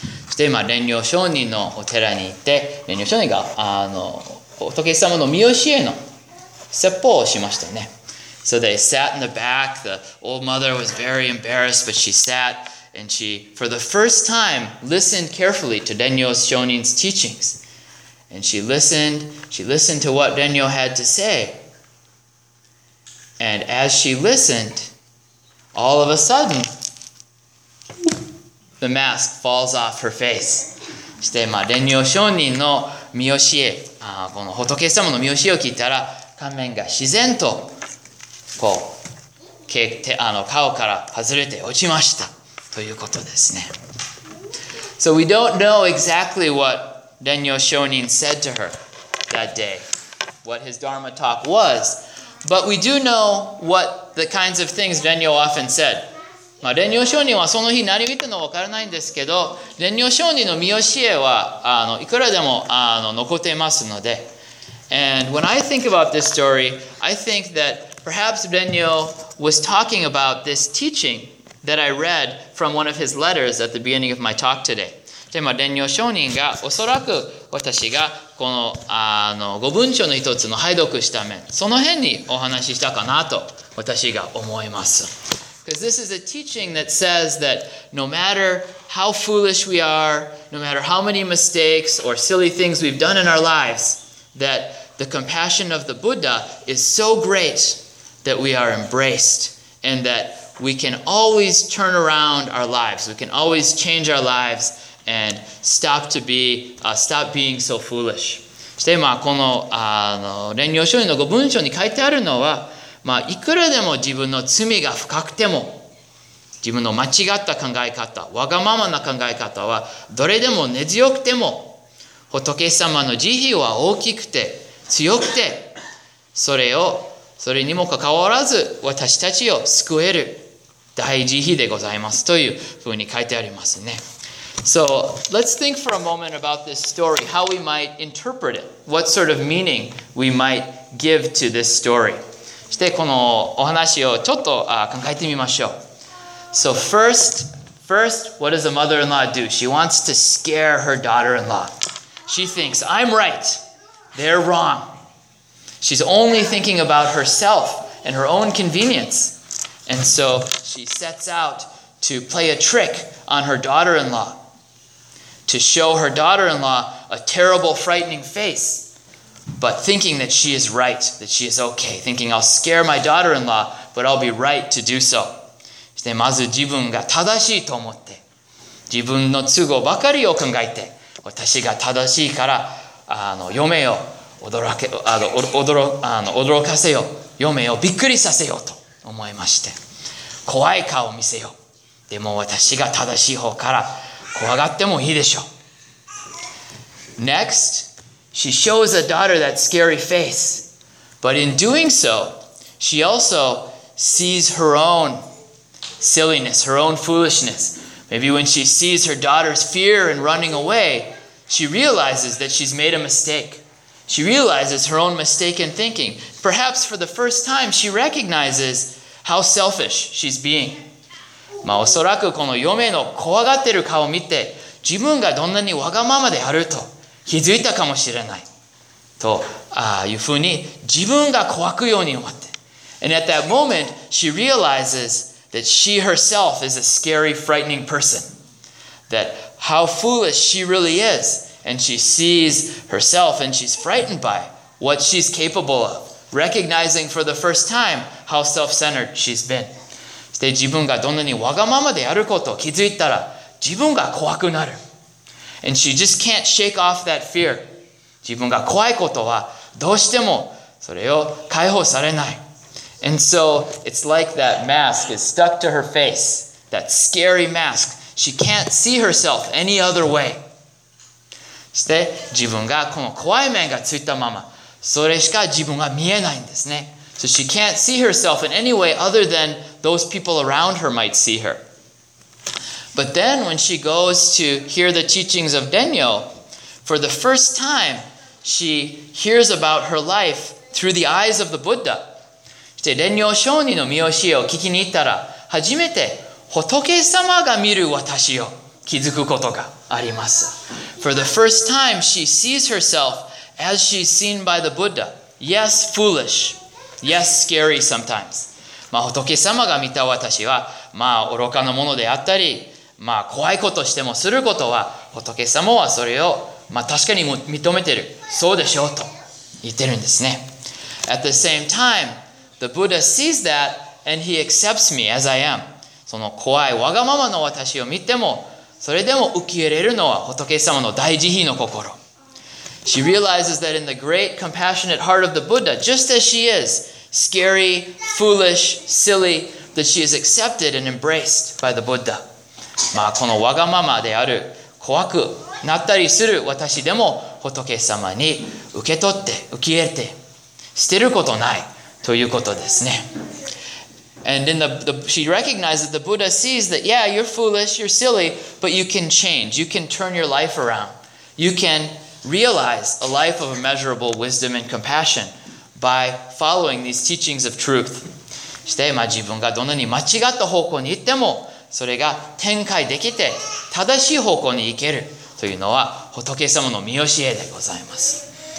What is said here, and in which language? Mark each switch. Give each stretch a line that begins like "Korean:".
Japanese: そして、まあ、蓮如上人のお寺に行って、蓮如上人が仏様の御教えの説法をしましたね。
English: So they sat in the back. The old mother was very embarrassed, but she sat and she, for the first time, listened carefully to 蓮如上人's teachings. And she listened to what 蓮如 had to say. And as she listened, all of a sudden, the mask falls off her face.
Japanese: そして、まあ、蓮如上人の御教え、この仏様の御教えを聞いたら、仮面が自然と、こう、顔から外れて落ちました。ということですね。
English: So we don't know exactly what蓮如上人 said to her that day, what his Dharma talk was. But we do know what the kinds of things 蓮如 often said.
Japanese: 蓮如上人はその日何を言ったのか分からないんですけど、蓮如上人の御教えはいくらでも残っていますので。
English: And when I think about this story, I think that perhaps 蓮如 was talking about this teaching that I read from one of his letters at the beginning of my talk today.
Japanese: で、まあ、蓮如上人が、おそらく私がこの、御文書の一つの拝読した面、その辺にお話ししたかなと私が思います。
English: Because this is a teaching that says that no matter how foolish we are, no matter how many mistakes or silly things we've done in our lives, that the compassion of the Buddha is so great that we are embraced and that we can always turn around our lives, we can always change our lives. And stop being so foolish.
Japanese: そして、まあ、この、蓮如上人の御文書に書いてあるのは、まあ、いくらでも自分の罪が深くても、自分の間違った考え方、わがままな考え方は、どれでも根強くても、仏様の慈悲は大きくて、強くて、それにもかかわらず、私たちを救える大慈悲でございます。というふうに書いてありますね。
English: So let's think for a moment about this story, how we might interpret it, what sort of meaning we might give to this story.
Japanese: そしてこのお話をちょっと考えてみましょう。
English: So first, what does a mother-in-law do? She wants to scare her daughter-in-law. She thinks, I'm right, they're wrong. She's only thinking about herself and her own convenience. And so she sets out to play a trick on her daughter-in-law. To show her daughter-in-law a terrible, frightening face, but thinking that she is right, that she is okay, thinking I'll scare my daughter-in-law, but I'll be right to do so.
Japanese: そしてまず自分が正しいと思って、自分の都合ばかりを考えて、私が正しいから驚かせよう、嫁をびっくりさせようと思いまして、怖い顔を見せよう。でも私が正しい方から。怖がってもいいでしょう。
English: Next, she shows a daughter that scary face. But in doing so, she also sees her own silliness, her own foolishness. Maybe when she sees her daughter's fear and running away, she realizes that she's made a mistake. She realizes her own mistake in thinking. Perhaps for the first time, she recognizes how selfish she's being.
Japanese: まあ、おそらくこの嫁の怖がってる顔を見て自分がどんなにわがままであると気づいたかもしれないとああいうふうに自分が怖くように思って
English: And at that moment, she realizes that she herself is a scary, frightening person. That how foolish she really is. And she sees herself and she's frightened by what she's capable of. Recognizing for the first time how self-centered she's been.
Japanese: で自分がどんなにわがままであることを気づいたら自分が怖くなる。
English: And she just can't shake off that fear.
Japanese: 自分が怖いことはどうしてもそれを解放されない。
English: And so it's like that mask is stuck to her face. That scary mask She can't see herself any other way.
Japanese: して自分がこの怖い面がついたまま、それしか自分が見えないんですね。
English: So she can't see herself in any way other than those people around her might see her. But then when she goes to hear the teachings of Denyo, for the first time, she hears about her life through the eyes of the Buddha.
Japanese: して Denyo Shoni の見教えを聞きに行ったら、初めて仏様が見る私を気づくことがあります。
English: For the first time, she sees herself as she's seen by the Buddha. Yes, foolish. Yes, scary sometimes.
Japanese: まあ、仏様が見た私は、まあ、愚かなものであったり、まあ、怖いことしてもすることは、仏様はそれを、まあ、確かに認めてる。そうでしょうと言ってるんですね。
English: At the same time, the Buddha sees that and he accepts me as I am.
Japanese: その怖いわがままの私を見ても、それでも受け入れるのは仏様の大慈悲の心。
English: She realizes that in the great compassionate heart of the Buddha, just as she is, scary, foolish, silly, that she is accepted and embraced by the Buddha.
Japanese: まあこのわがままである、怖くなったりする私でも仏様に受け取って、受け入れて、捨てることないということですね。
English: And in the she recognizes that the Buddha sees that, yeah, you're foolish, you're silly, but you can change. You can turn your life around. You can realize a life of immeasurable wisdom and compassion by following these teachings of truth.
Japanese: して、まあ、自分がどんなに間違った方向に行っても、それが展開できて正しい方向に行けるというのは仏様の見教えでございます。